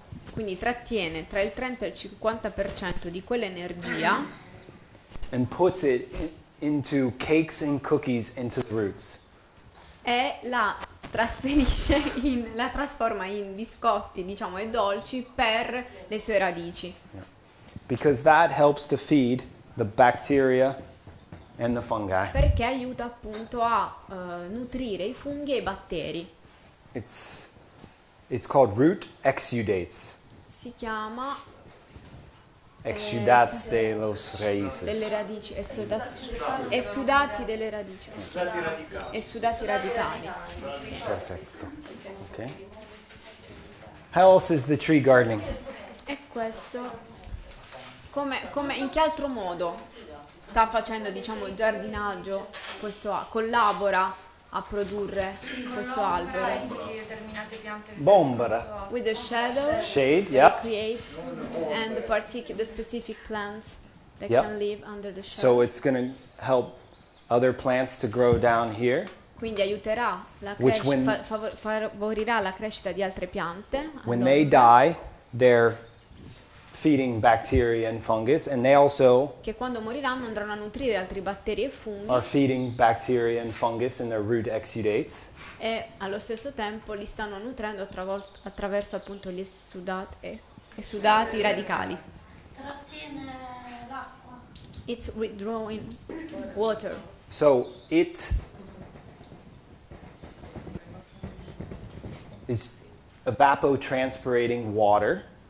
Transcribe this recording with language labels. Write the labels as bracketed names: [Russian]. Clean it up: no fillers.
[Italian] Quindi trattiene tra il 30 e il 50% di quell'energia. [English] And puts it into cakes and cookies into the roots. [Italian] E la trasferisce in, la trasforma in biscotti, diciamo, e dolci per le sue radici. [English] Yeah. Because that helps to feed the bacteria and the fungi. [Italian] Perché aiuta appunto a nutrire i funghi e i batteri. [English] It's called root exudates. [Italian] Si chiama [Spanish] exudats de los raíces. [Italian] Delle radici, esudati delle radici. Esudati radicali. Perfetto. [English] Okay. How else is the tree gardening? [Italian] E questo. Come in che altro modo sta facendo, diciamo, il giardinaggio questo, collabora a produrre questo albero? Bombra. [English] With the shadow. Shade, yeah. It creates and the specific plants that yep. can live under the shadow. So it's going to help other plants to grow down here. [Italian] Quindi aiuterà la crescita, favorirà la crescita di altre piante. [English] When they die, they're feeding bacteria and fungus, and they also [Italian] che quando moriranno andranno a nutrire altri batteri e funghi. [English] Are feeding bacteria and fungus in their root exudates. [Italian] E allo stesso tempo li stanno nutrendo attraverso appunto gli esudati radicali. Trattiene l'acqua. [English] It's withdrawing water. So it is evapotranspirating water.